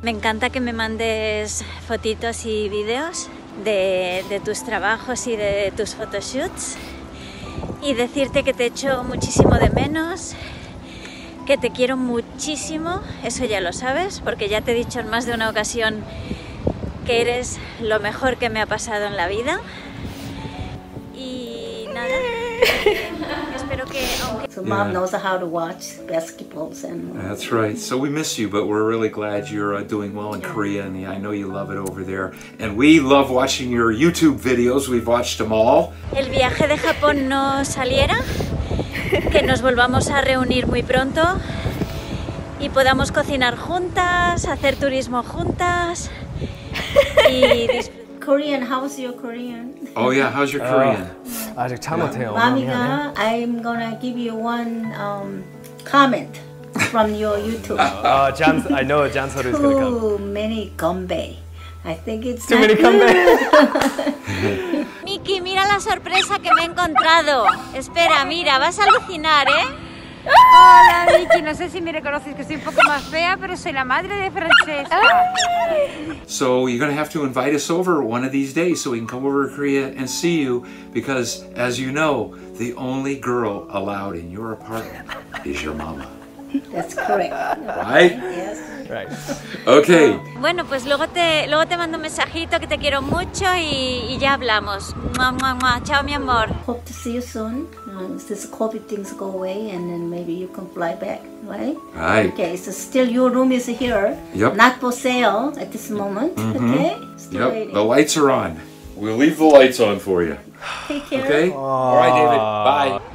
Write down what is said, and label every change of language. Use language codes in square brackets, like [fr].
[es] Me encanta que me mandes fotitos y videos de tus trabajos y de tus photoshoots. Y decirte que te echo muchísimo de menos, que te quiero muchísimo. Eso ya lo sabes, porque ya te he dicho en más de una ocasión que eres lo mejor que me ha pasado en la vida. Y nada. [en] So mom knows how to watch basketballs and... That's right. So we miss you, but we're really glad you're doing well in Korea. And I know you love it over there. And we love watching your YouTube videos. We've watched them all. [es] El viaje de Japón no saliera. Que nos volvamos a reunir muy pronto. Y podamos cocinar juntas, hacer turismo juntas. [en] Korean, how's your Korean? Oh yeah, how's your Korean? I'm gonna give you one comment from your YouTube. I know Jan Soru is gonna come. Too many gumbay. I think it's too many gumbay. [es] Miki, mira la sorpresa que me he encontrado. Espera, mira, vas a alucinar, ¿eh? Hola, Nikki. No sé si me reconoces, que soy un poco más fea, pero soy la madre de Francesca. [en] So you're going to have to invite us over one of these days so we can come over to Korea and see you, because as you know, the only girl allowed in your apartment is your mama. That's correct. Right? Yes. Right. Okay. [es] Bueno, pues luego te mando un mensajito que te quiero mucho y ya hablamos. Mua, mua, mua. Chao, mi amor. [en] Hope to see you soon. This COVID things go away and then maybe you can fly back, right? Right. Okay, so still your room is here. Yep. Not for sale at this moment, mm-hmm. Okay? Still yep, waiting. The lights are on. We'll leave the lights on for you. Take care. Okay? All right, David. Bye.